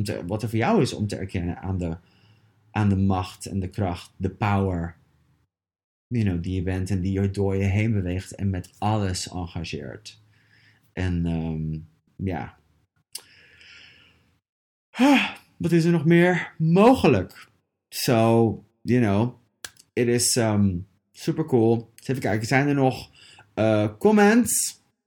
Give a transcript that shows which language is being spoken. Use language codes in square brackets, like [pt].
[nl] Wat er voor jou is om te erkennen aan de macht en de kracht. De power, [en] you know, [nl] die je bent en die je door je heen beweegt. En met alles engageert. En ja... wat is er nog meer mogelijk? [en] So, you know, it is super cool. [nl] Even kijken, zijn er nog comments?